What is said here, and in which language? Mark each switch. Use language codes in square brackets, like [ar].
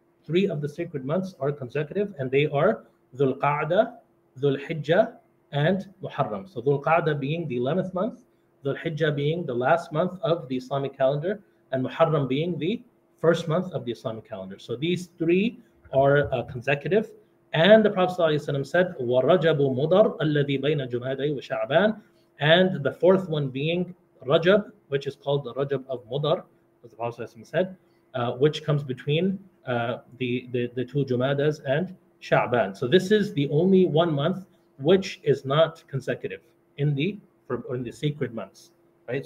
[en] 3 of the sacred months are consecutive, and they are Dhul Qa'dah, Dhul Hijjah, and Muharram. So Dhul Qa'dah being the 11th month, Dhul Hijjah being the last month of the Islamic calendar, and Muharram being the first month of the Islamic calendar. So these 3 are consecutive. And the Prophet ﷺ said, [ar] وَرَجَبُ مُضَرْ أَلَّذِي بَيْنَ جُمَادَيْ وَشَعْبَانِ. [en] And the 4th one being Rajab, which is called the Rajab of Mudar, as the Prophet ﷺ said, which comes between the two Jumadas and Sha'ban. So this is the only one month which is not consecutive in the sacred months, right?